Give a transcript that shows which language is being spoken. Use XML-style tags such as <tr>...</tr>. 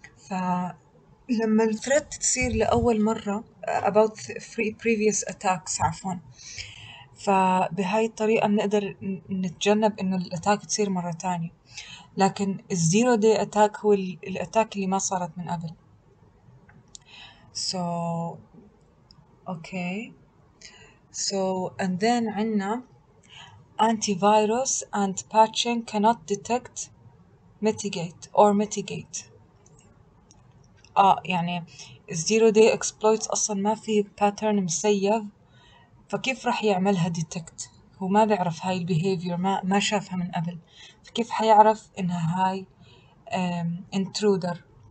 <ar>فلما الثريت تصير لأول مرة</ar> <en>about previous attacks</en> <ar>عفواً. فبهاي الطريقة بنقدر نتجنب إنه الأتاك تصير مرة تانية. لكن الزيرو دي اتاك هو الاتاك اللي ما صارت من قبل.</ar> <en>So okay. So and then عنا antivirus and patching cannot detect, mitigate or mitigate.</en> <ar>يعني الزيرو دي exploits اصلا ما في pattern مسيف, فكيف راح يعملها detect؟ هو ما بيعرف هاي البيهيفير, ما شافها من قبل, فكيف حيعرف انها هاي انترودر.</ar>